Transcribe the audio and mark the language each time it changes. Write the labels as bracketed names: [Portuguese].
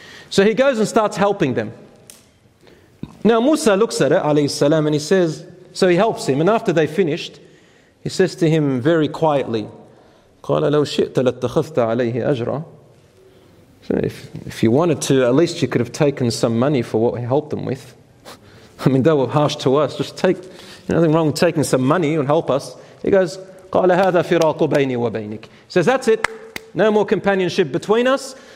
[English] So he goes and starts helping them. Now Musa looks at it, alayhi salam, and he says, so he helps him, and after they finished, he says to him very quietly, [Arabic] قَالَ لَوْ شِئْتَ لَاتَّخَذْتَ عَلَيْهِ أَجْرًا. [English] So if you wanted to, at least you could have taken some money for what he helped them with. I mean, they were harsh to us. Just take, nothing wrong with taking some money and help us. He goes, [Arabic] قَالَ هَذَا فِرَاقُ بَيْنِي وَبَيْنِكِ. [English] He says, that's it. No more companionship between us.